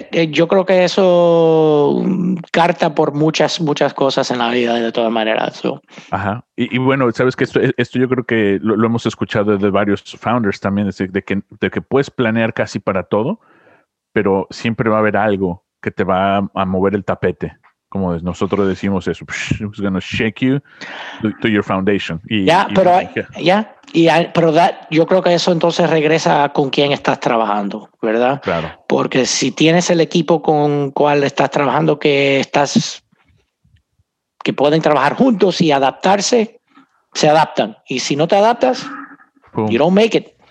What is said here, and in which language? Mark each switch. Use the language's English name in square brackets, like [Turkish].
[Spanish] Yo creo que eso carta por muchas, muchas cosas en la vida de todas maneras. [English] So. [Spanish] Ajá. Y bueno, sabes que esto yo creo que lo hemos escuchado de varios founders también, es decir, de que puedes planear casi para todo, pero siempre va a haber algo que te va a mover el tapete. Como nosotros decimos eso, [English] it's going to shake you to your foundation. [Spanish] Yo creo que eso entonces regresa a con quién estás trabajando, ¿verdad? Claro. Porque si tienes el equipo con cual estás trabajando que pueden trabajar juntos y adaptarse, se adaptan. Y si no te adaptas, boom, [English] you don't make it.